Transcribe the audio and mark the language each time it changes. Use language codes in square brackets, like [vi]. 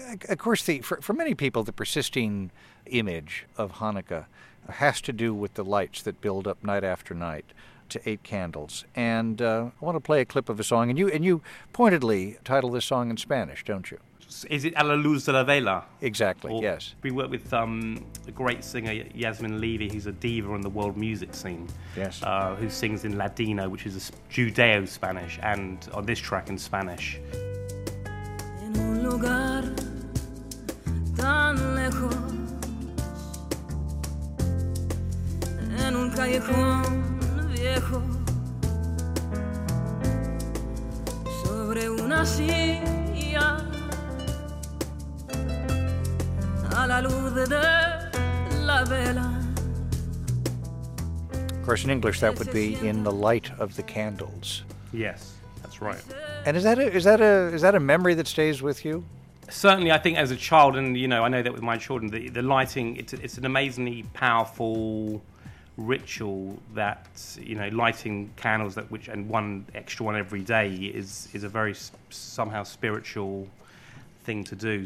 [en] Of course, for many people, the persisting image of Hanukkah has to do with the lights that build up night after night to 8 candles, and I want to play a clip of a song, and you pointedly title this song in Spanish, don't you? Is it A la Luz de la Vela? Exactly, or, yes. We work with a great singer, Yasmin Levy, who's a diva in the world music scene. Yes. Who sings in Ladino, which is a Judeo-Spanish, and on this track in Spanish. [es] En un lugar tan lejos, en un callejón viejo, sobre una silla, a la luz de la vela. [en] Of course, in English, that would be in the light of the candles. Yes, that's right. And is that a memory that stays with you? Certainly, I think as a child, and you know, I know that with my children, the lighting, it's an amazingly powerful ritual that, you know, lighting candles that which and one extra one every day is a very somehow spiritual thing to do.